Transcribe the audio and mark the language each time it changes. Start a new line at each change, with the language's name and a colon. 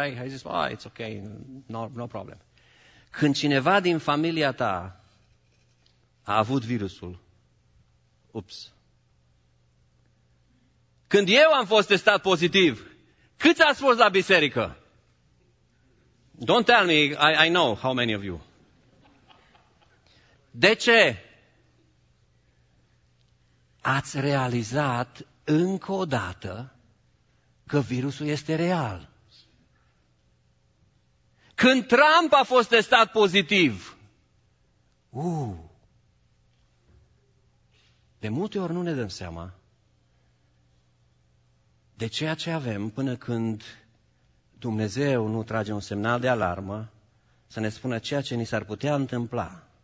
Romanian: Ai zis,
English: oh, it's ok, no problem.
Romanian: Când cineva din familia ta a avut virusul, ups. Când eu am fost testat pozitiv, cât ați fost la biserică?
English: Don't tell me, I know how many of you.
Romanian: De ce? Ați realizat încă o dată că virusul este real. Când Trump a fost testat pozitiv, de multe ori nu ne dăm seama de ceea ce avem până când Dumnezeu nu trage un semnal de alarmă să ne spună ceea ce ni s-ar putea întâmpla.